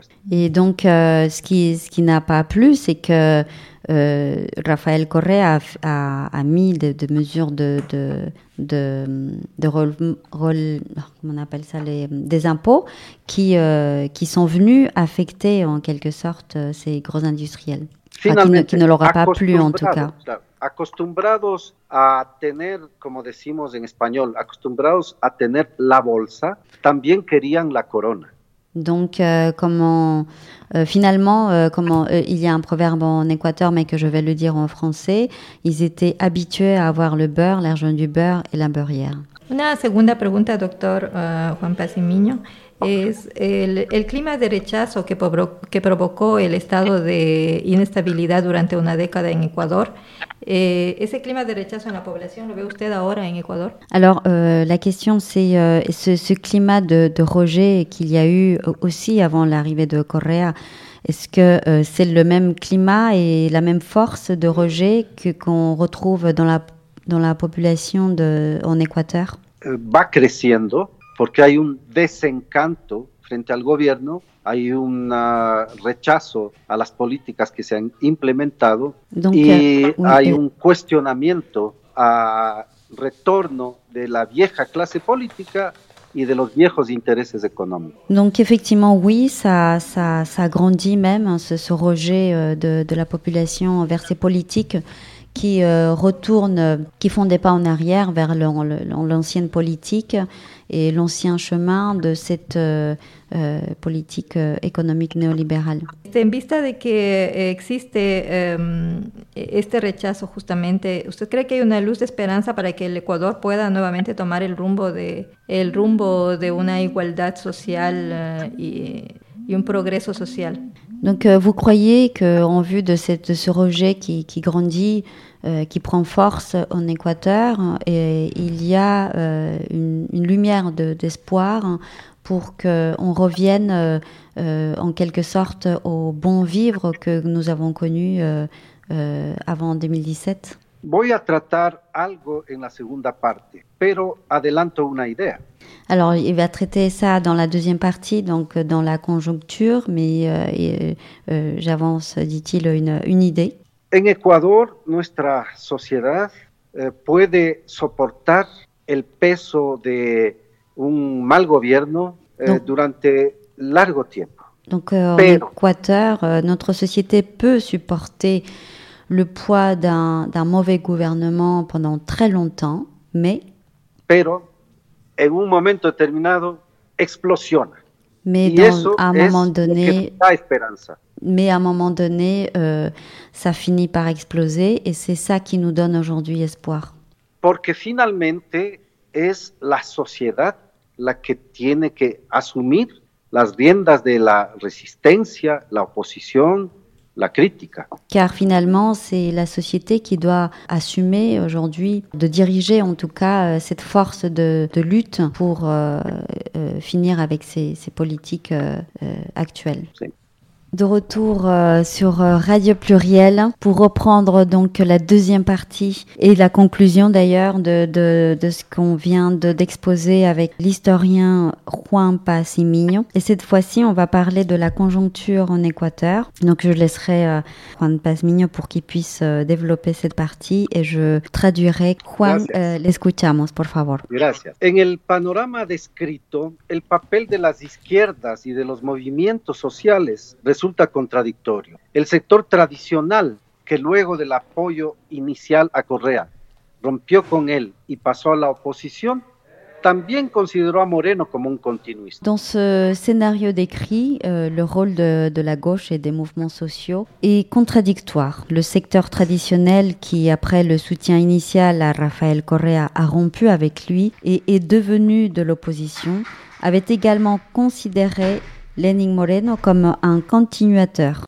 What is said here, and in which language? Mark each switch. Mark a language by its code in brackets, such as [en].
[fr] et donc, ce qui n'a pas plu, c'est que Rafael Correa a mis de mesures des impôts qui sont venus affecter en quelque sorte ces gros industriels. Enfin, qui ne leur a pas plu en tout cas. [es] Acostumbrados a tener, como decimos en español, acostumbrados a tener la bolsa, también querían la corona. [fr] Donc, il y a un proverbe en Équateur, mais que je vais le dire en français, ils étaient habitués à avoir le beurre, l'argent du beurre et la beurrière. [es] Una segunda pregunta, doctor Juan Paz y Miño, es el clima de rechazo que provocó el estado de inestabilidad durante una década en Ecuador. Ese clima de rechazo en la población, ¿lo ve usted ahora en Ecuador? [fr] Alors, la question c'est ce climat de rejet qu'il y a eu aussi avant l'arrivée de Correa. Est-ce que c'est le même climat et la même force de rejet qu'on retrouve dans la population en Équateur? [es] Va creciendo porque hay un desencanto frente al gobierno, hay un rechazo a las políticas que se han implementado. [fr] Donc, [es] y hay un cuestionamiento a retorno de la vieja clase política y de los viejos intereses económicos. [fr] Donc effectivement oui, ça grandit même ce rejet de la population envers ces politiques qui retournent, qui font des pas en arrière vers l'ancienne politique et l'ancien chemin de cette politique économique néolibérale. [es] En vista de que existe este rechazo justamente, ¿usted cree que hay una luz de esperanza para que el Ecuador pueda nuevamente tomar el rumbo de una igualdad social y un progreso social? [fr] Donc, vous croyez qu'en vue de ce rejet qui grandit, qui prend force en Équateur, il y a une lumière d'espoir pour qu'on revienne en quelque sorte au bon vivre que nous avons connu avant 2017? [es] Voy a tratar algo en la segunda parte, pero adelanto una idea. [fr] Alors, il va traiter ça dans la deuxième partie, donc dans la conjoncture, mais j'avance, dit-il, une idée. [es] En Ecuador, nuestra sociedad puede soportar el peso de un mal gobierno durante largo tiempo. [fr] Donc, en Équateur, notre société peut supporter le poids d'un mauvais gouvernement pendant très longtemps, mais... [es] Pero, en un momento determinado, explosiona. [fr] Mais [es] y eso [fr] un moment donné, [es] es lo que da esperanza. [fr] mais à un moment donné, ça finit par exploser et c'est ça qui nous donne aujourd'hui espoir. [es] Porque finalmente es la sociedad la que tiene que asumir las riendas de la resistencia, la oposición, la crítica. [fr] Car finalement, c'est la société qui doit assumer aujourd'hui de diriger en tout cas cette force de lutte pour finir avec ces politiques actuelles. [es] Sí. [fr] De retour sur Radio Pluriel pour reprendre donc la deuxième partie et la conclusion d'ailleurs de ce qu'on vient d'exposer avec l'historien Juan Paz y Miño. Et cette fois-ci, on va parler de la conjoncture en Équateur. Donc je laisserai Juan Paz y Miño pour qu'il puisse développer cette partie et je traduirai. [es] Juan, l'escuchamos, por favor. Gracias. En el panorama descrito, el papel de las izquierdas y de los movimientos sociales resulta contradictorio. El sector tradicional, que luego del apoyo inicial a Correa rompió con él y pasó a la oposición, también consideró a Moreno como un continuista. [fr] Dans ce scénario décrit, le rôle de la gauche et des mouvements sociaux est contradictoire. Le secteur traditionnel, qui après le soutien initial à Rafael Correa a rompu avec lui et est devenu de l'opposition, avait également considéré Lenin Moreno [es] como un continuador.